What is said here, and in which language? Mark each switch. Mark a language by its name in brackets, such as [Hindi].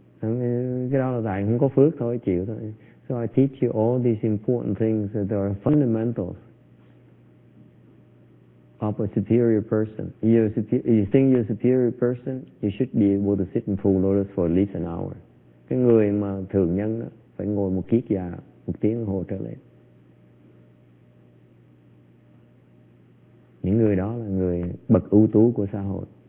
[Vietnamese] Cái đó là tại không có phước thôi, chịu thôi. [English] So I teach you all these important things that are fundamentals of a superior person. You think you're a superior person, you should be able to sit in full lotus for at least an hour. [Vietnamese] Cái người mà thường nhân đó, phải ngồi một kiết già, một tiếng hồ trở lên. Những người đó là người bậc ưu tú của xã hội.